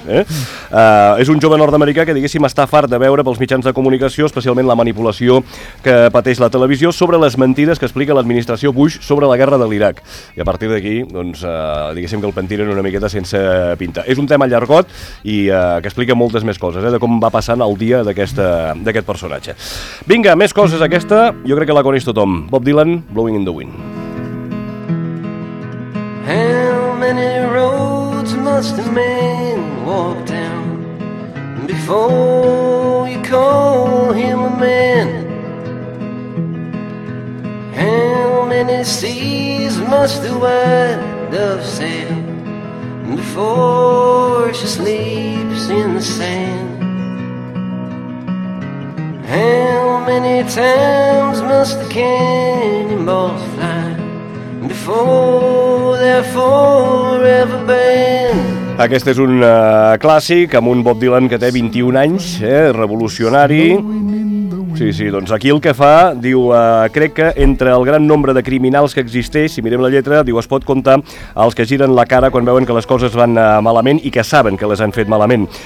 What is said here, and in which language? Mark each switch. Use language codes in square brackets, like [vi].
[ca] És un jove nord-americà que, diguéssim, està fart de veure pels mitjans de comunicació, especialment la manipulació que pateix la televisió, sobre les mentides que explica l'administració Bush sobre la guerra de l'Iraq. I a partir d'aquí, doncs, diguéssim que el pentinen una miqueta sense pintar. És un tema llargot i que explica moltes més coses, de com va passant el dia d'aquest personatge. Vinga, més coses aquesta, jo crec que la coneix tothom. [en] Bob Dylan, Blowing in the Wind. How many roads must a man walk down before you call him a man? How many seas must a white dove sail before she sleeps in the sand? How many times must the cannonballs fly before they're forever banned? [ca] Aquest és un clàssic amb un Bob Dylan que té 21 anys, revolucionari. Sí, sí, doncs aquí el que fa, diu, crec que entre el gran nombre de criminals que existeix, si mirem la lletra, diu, es pot comptar els que giren la cara quan veuen que les coses van malament i que saben que les han fet malament.